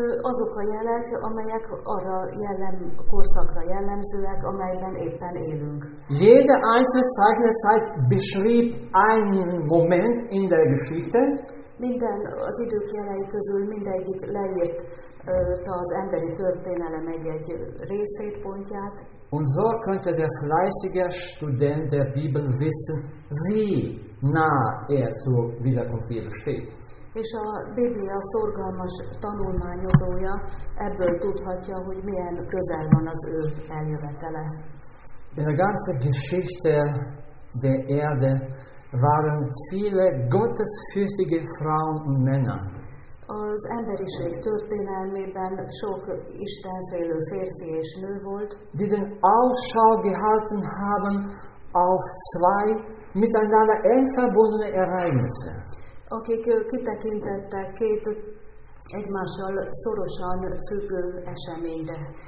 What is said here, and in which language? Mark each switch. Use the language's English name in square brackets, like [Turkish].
[Hungarian] Azok a jelek, amelyek arra jellem, korszakra jellemzőek, amelyben éppen élünk. [German] Jede einzelne Zeichen der Zeit beschrieb einen Moment in der Geschichte. [Hungarian] Minden az idők jelei közül mindegyik leírta az emberi történelem egy-egy részét, pontját. [German] Und so könnte der fleißige Student der Bibel wissen, wie nah zur Wiederkunft Jesu steht. [Hungarian] És a Biblia szorgalmas tanulmányozója ebből tudhatja, hogy milyen közel van az ő eljövetele. [German] In der ganzen Geschichte der Erde waren viele gottesfürchtige Frauen und Männer. [Hungarian] Az emberiség történelmében sok istenfélő férfi és nő volt, [German] die den Ausschau gehalten haben auf zwei miteinander eng verbundene Ereignisse. [Hungarian] Akik kitekintettek két egymással szorosan függő eseményre.